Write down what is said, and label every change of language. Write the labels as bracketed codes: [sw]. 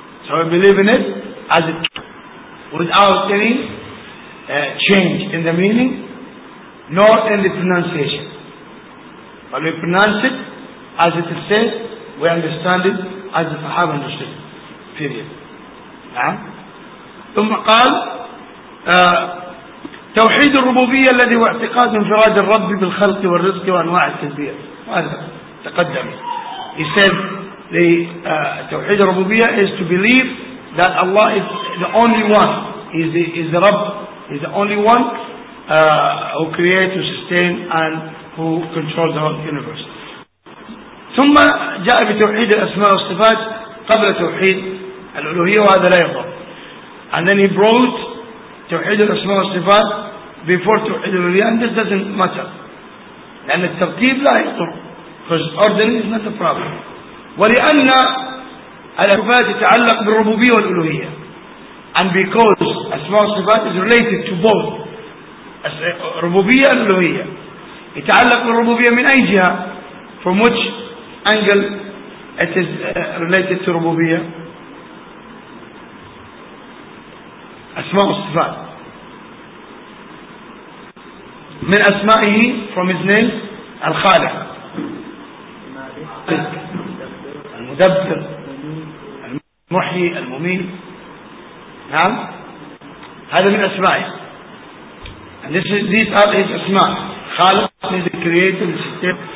[en] So we believe in it as it without any change in the meaning nor in the pronunciation. But we pronounce it as it is said, we understand it as the Sahaba understood. Period. [ar] ثم قال توحيد الربوبية الذي هو اعتقاد انفراد الرب بالخلق والرزق وأنواع التدبير. هذا تقدم. [en] He said the توحيد الربوبية is to believe that Allah is the only one. He is the Rabb. He is the only one who creates, who sustains, and who controls the whole universe. [ar] ثم جاء بتوحيد الأسماء والصفات قبل توحيد الألوهية وهذا لا يضر. [en] And then he brought توحيد الأسماء والصفات before توحيد الألوهية, and this doesn't matter. [ar] لأن الترتيب لا يضر, [en] because ordering is not a problem. [ar] ولأن الصفات تتعلق بالربوبية والألوهية, [en] and because [ar] أسماء والصفات [en] is related to both [ar] ربوبية والألوهية. يتعلق بالربوبية من أي جهة, [en] from which angle it is related to ربوبية. [ar] أسماء الصفات من أسمائه, [en] from his name [ar] الخالق المدبر المحيي المميت. نعم, هذا من أسمائه. [en] And these are his أسماء. خالق is the creator, the sustainer.